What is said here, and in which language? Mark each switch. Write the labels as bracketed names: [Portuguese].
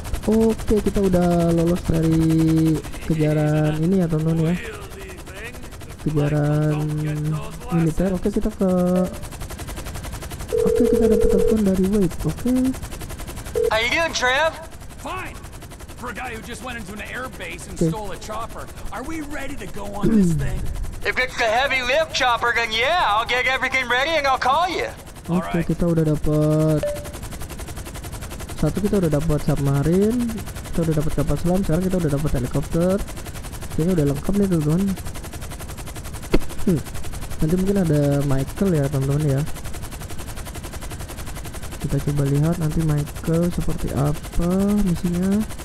[Indonesian] Oke, kita udah lolos dari kejaran ini ya, Tonton ya. Kejaran militer. Oke, kita ke Oke, kita dapat telepon dari Wade. Oke. [English] How you doing, Trev? Fine. For a guy who just went into an airbase and stole a chopper. Are we ready to go on this thing? If it's a heavy lift chopper, then yeah, I'll get everything ready and I'll call you. [Indonesian] Oke, kita udah dapat. Satu kita udah dapat submarin, kita udah dapat kapal selam, sekarang kita udah dapat helikopter. Ini udah lengkap nih, teman-teman. Nanti mungkin ada Michael ya, teman-teman ya. Kita coba lihat nanti Michael seperti apa misinya.